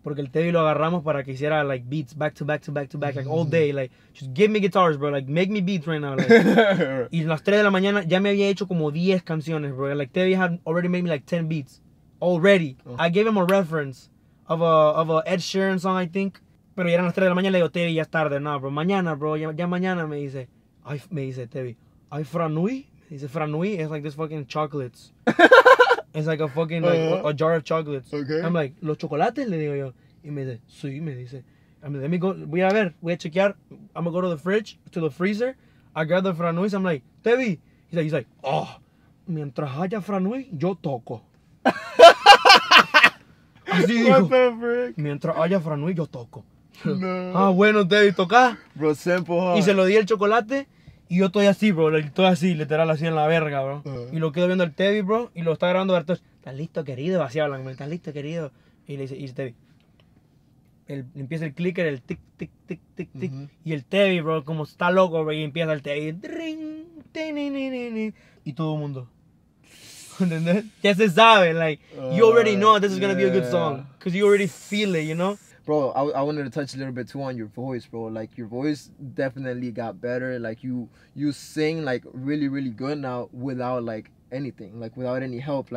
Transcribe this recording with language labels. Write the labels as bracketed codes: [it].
[es] Porque el Tevi lo agarramos para que hiciera, [en] like, beats, back to back to back to back, like, all day, like, just give me guitars, bro, like, make me beats right now, like. [es] Y a las 3 de la mañana ya me había hecho como 10 canciones, bro. [en] Like, Tevi had already made me, like, 10 beats. Already. Oh. I gave him a reference. Of a Ed Sheeran song, I think. [es] Pero ya eran las 3 de la mañana, le digo, Tevi, ya es tarde. No, bro, mañana, bro, ya mañana, me dice. Ay, me dice, Tevi, ay, franui. Me dice, [en] franui, it's like this fucking chocolates. It's like a fucking, like, a jar of chocolates. Okay. I'm like, [es] los chocolates, le digo yo. Y me dice, sí, me dice. [en] I'm like, let me go, [es] voy a ver, voy a chequear. [en] I'm gonna go to the fridge, to the freezer. I grab the franui, so I'm like, Tevi. He's like, oh, [es] mientras haya franui, yo toco. Así [en] what [es] dijo, [en] the frick? [es] Mientras haya franui, yo toco. No. Ah, bueno, Tevi, toca. [en] Bro, simple, huh? [es] Y se lo di el chocolate, y yo estoy así, bro. Estoy así, literal, así en la verga, bro. Y lo quedo viendo el Tevi, bro, y lo está grabando Bertos. ¿Estás listo, querido? Así hablan, ¿estás listo, querido? Y le dice, y Tevi. Empieza el clicker, el tic, tic, tic, tic, tic. Y el Tevi, bro, como está loco, bro, y empieza el Tevi. Ring, tini. Y todo el mundo. Ya se sabe, [en] like, you already know this is gonna be a good song, cause you already feel it, you know. Bro, I wanted to touch a little bit too on your voice, bro. Like, your voice definitely got better. Like, you sing like really, really good now without like anything, like without any help.